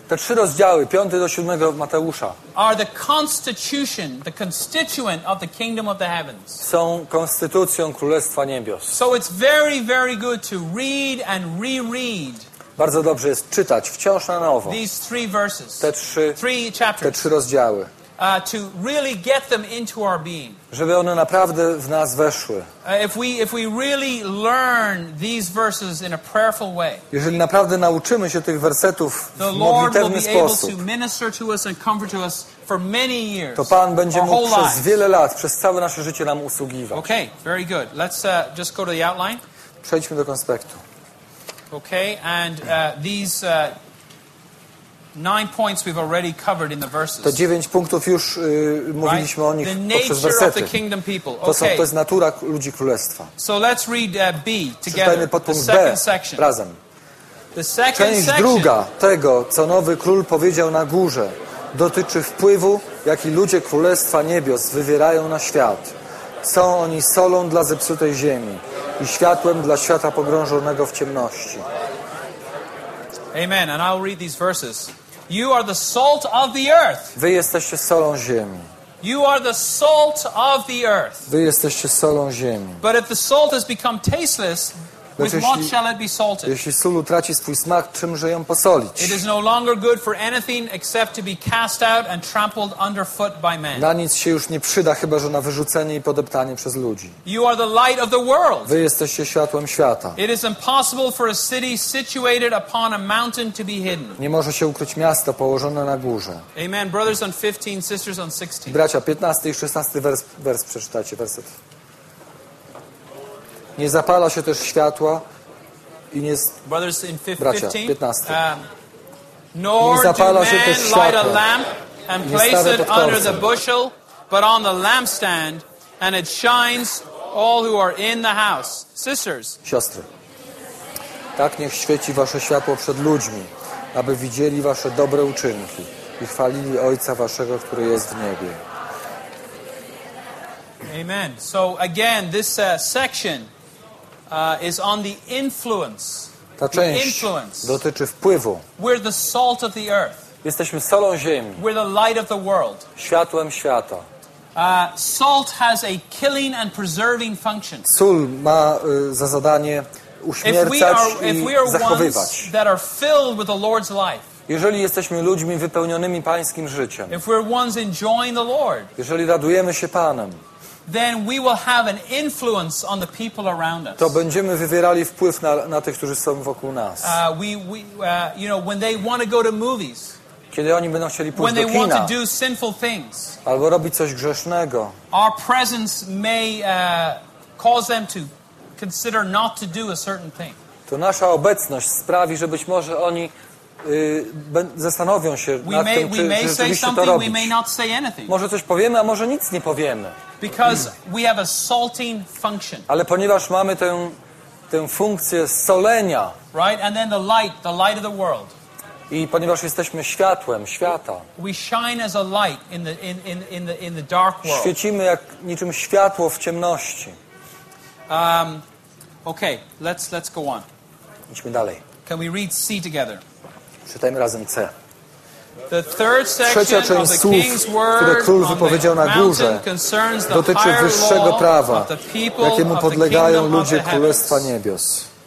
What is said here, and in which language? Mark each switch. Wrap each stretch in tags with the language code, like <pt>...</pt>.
<pl>Te trzy rozdziały, 5 do 7 Mateusza.</pl> <en>Are the constitution, the constituent of the kingdom of the heavens.</en> <pl>Są konstytucją Królestwa Niebios.</pl> <en>So it's very, very good to read and reread.</en> <pl>Bardzo dobrze jest czytać wciąż na nowo.</pl> <en>These three verses.</en> <pl>Te trzy rozdziały.</pl> <en>To really get them into our being.</en> <pl>Żeby one naprawdę w nas weszły.</pl> <en>If we really learn these verses in a prayerful way.</en> <pl>Jeżeli naprawdę nauczymy się tych wersetów w modlitewny sposób.</pl> <en>The Lord will be able to minister to us and comfort to us for many years.</en> <pl>To Pan będzie mógł przez wiele lat, przez całe nasze życie nam usługiwać.</pl> <en>Okay, very good. Let's just go to the outline.</en> <pl>Przejdźmy do konspektu.</pl> <en>Okay, and these 9 points we've already covered in the verses.</en> <pl>Te 9 punktów już mówiliśmy o nich poprzez wersety.</pl> <en>The nature of the kingdom people. Okay.</en> <pl>To jest natura ludzi królestwa.</pl> <en>So let's read B together.</en> <pl>Czytajmy podpunkt</pl> <en>B section.</en> <pl>Razem.</pl> <en>The second</en> <pl>część</pl> <en>section.</en> <pl>Druga tego, co nowy król powiedział na górze, dotyczy wpływu, jaki ludzie królestwa niebios wywierają na świat. Są oni solą dla zepsutej ziemi i światłem dla świata pogrążonego w ciemności. Amen.</pl> <en>And I'll read these verses. You are the salt of the earth.</en> <pl>Wy jesteście solą ziemi.</pl> <en>You are the salt of the earth.</en> <pl>Wy jesteście solą ziemi.</pl> <en>But if the salt has become tasteless,</en> <pl>Lecz jeśli sól utraci swój smak, czymże ją posolić?</pl> <en>It is no longer good for anything except to be cast out and trampled underfoot by men.</en> <pl>Na nic się już nie przyda, chyba że na wyrzucenie i podeptanie przez ludzi.</pl> <en>You are the light of the world.</en> <pl>Wy jesteście światłem świata.</pl> <en>It is impossible for a city situated upon a mountain to be hidden.</en> <pl>Nie może się ukryć miasto położone na górze.</pl> <en>Amen. Brothers on 15, sisters on 16.</en> <pl>Bracia, 15 i 16 wers przeczytacie, werset. Nie zapala się też światła i nie...</pl> <en>Brothers in 15,</en> <pl>bracia, 15.</pl> <en>Nor</en> <pl>nie zapala się też światła,</pl> <en>light a lamp and place it under the bushel, but on the lampstand, and it shines all who are in the house. Sisters.</en> <pl>Siostry. Tak niech świeci wasze światło przed ludźmi, aby widzieli wasze dobre uczynki i chwalili Ojca waszego, który jest w niebie.</pl> <en>Amen. So again, this section... is on the influence.</en> <pl>Ta część dotyczy wpływu.</pl> <en>We're the salt of the earth.</en> <pl>Jesteśmy solą ziemi.</pl> <en>We're the light of the world.</en> <pl>Światłem świata.</pl> <en>Salt has a killing and preserving function.</en> <pl>Sól ma za zadanie uśmiercać i zachowywać.</pl> <en>Ones that are filled with the Lord's life.</en> <pl>Jeżeli jesteśmy ludźmi wypełnionymi Pańskim życiem.</pl> <en>If we're ones enjoying the Lord.</en> <pl>Jeżeli radujemy się Panem.</pl> <en>Then we will have an influence on the people around us.</en> <pl>To będziemy wywierali wpływ na tych, którzy są wokół nas.</pl> <en>You know, when they want to go to movies.</en> <pl>Kiedy oni będą chcieli pójść do kina.</pl> <en>When they want to do sinful things.</en> <pl>Albo robić coś grzesznego.</pl> <en>Our presence may cause them to consider not to do a certain thing.</en> <pl>To nasza obecność sprawi, że być może oni zastanowią się nad tym, czy rzeczywiście to robić.</pl> <en>We may not say anything.</en> <pl>Może coś powiemy, a może nic nie powiemy.</pl> <en>Because we have a salting function.</en> <pl>Ale ponieważ mamy tę funkcję solenia.</pl> <en>Right? And then the light of the world.</en> <pl>I ponieważ jesteśmy światłem świata.</pl> <en>We shine as a light in the dark world.</en> <pl>Świecimy jak niczym światło w ciemności.</pl> <en>Okay, let's go on.</en> <pl>Idźmy dalej.</pl> <en>Can we read C together?</en> <pl>Czytajmy razem C.</pl> <en>The third section of the king's word,</en> <pl>które król wypowiedział na górze, dotyczy wyższego prawa, jakiemu podlegają ludzie Królestwa Niebios.</pl>